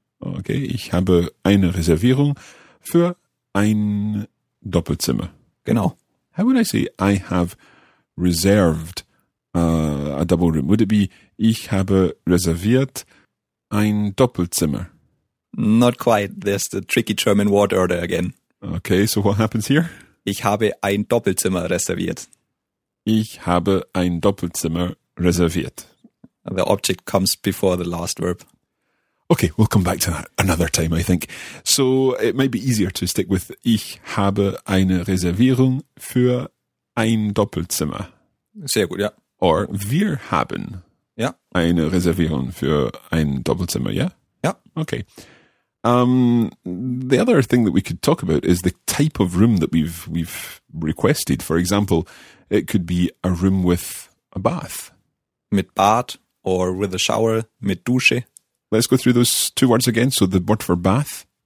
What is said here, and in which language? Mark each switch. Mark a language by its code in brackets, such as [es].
[de] Okay, ich habe eine Reservierung für ein Doppelzimmer. Genau. [en] How would I say I have reserved a double room? Would it be [de] ich habe reserviert ein Doppelzimmer? [en] Not quite. There's the tricky German word order again. Okay, so what happens here? [de] Ich habe ein Doppelzimmer reserviert. Ich habe ein Doppelzimmer reserviert. [en] The object comes before the last verb. Okay, we'll come back to that another time, I think. So it might be easier to stick with [de] ich habe eine Reservierung für ein Doppelzimmer. Sehr gut, ja. Or wir haben eine Reservierung für ein Doppelzimmer, yeah? Ja. [en] Okay. The other thing that we could talk about is the type of room that we've requested. For example, it could be a room with a bath. [de] Mit Bad or [en] with a shower, [de] mit Dusche. [en] Let's go through those two words again. So the word for bath.